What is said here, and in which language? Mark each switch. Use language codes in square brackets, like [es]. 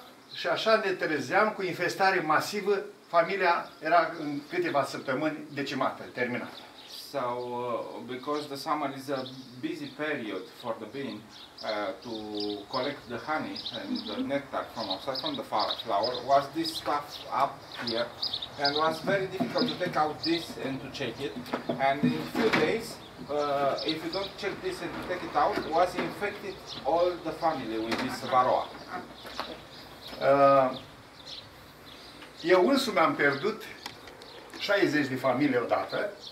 [ro] Și așa ne trezeam cu infestare masivă, familia era în câteva săptămâni decimată, terminată. [en] So because the summer is a busy period for the bee to collect the honey and the nectar from outside from the flower, was this stuff up here and was very difficult to take out this and to check it, and in a few days if you don't check this and take it out, was infected all the family with this varroa. [ro] Eu însumi am pierdut 60 de familii odată.